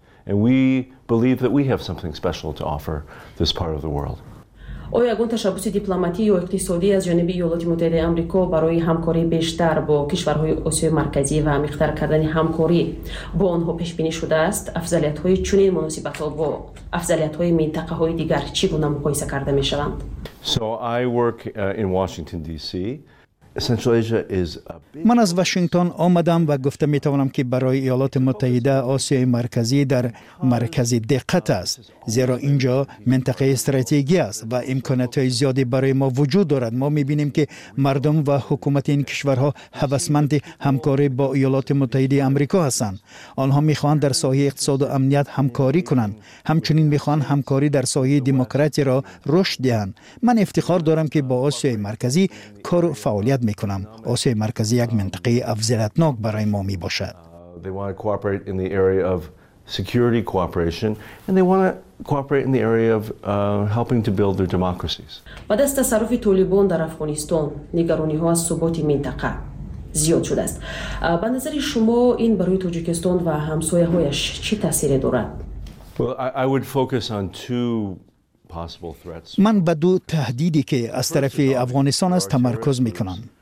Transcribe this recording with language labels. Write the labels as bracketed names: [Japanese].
[English] And we believe that we have something special to offer this part of the world. [Persian] آیا گونه تشابهی دیپلماتی یا اقتصادی از جانب ایالات متحده آمریکا برای همکاری بیشتر با کشورهای آسیای مرکزی و عمیق‌تر کردن همکاری با آنها پیش بینی شده است؟ افضلیت‌های چنین مناسبت‌ها با افضلیت‌های منطقه‌های دیگر چگونه مقایسه کرده می‌شوند؟ [English] So I work in Washington DC. Central Asia is a big. [Persian] من از واشنگتن آمدم و گفته می توانم که برای ایالات متحده آسیای مرکزی در مرکز دقت است، زیرا اینجا منطقه استراتژی است و امکانات زیادی برای ما وجود دارد. ما می بینیم که مردم و حکومت این کشورها هوسمند همکاری با ایالات متحده آمریکا هستند. آنها می خواهند در سایه اقتصاد و امنیت همکاری کنند، همچنین می خواهند همکاری در سایه دموکراسی را رشد دهند. من افتخار دارم که با آسیای مرکزی کار و فعالیت میکنم. آسیای مرکزی یک منطقه افضلیت‌ناک برای ما میباشد. [English] They want to cooperate in the area of security cooperation and they want to cooperate in the area of helping to build their democracies. [Persian] با دست تصرف طالبان در افغانستان نگرانی‌ها از ثبات منطقه زیاد شده است. به نظر شما این برای تاجیکستان و همسایه‌هایش چه تأثیری دارد؟ [English] Well, I would focus on two. [Persian] من به دو تهدیدی که از طرف افغانستان است تمرکز میکنم.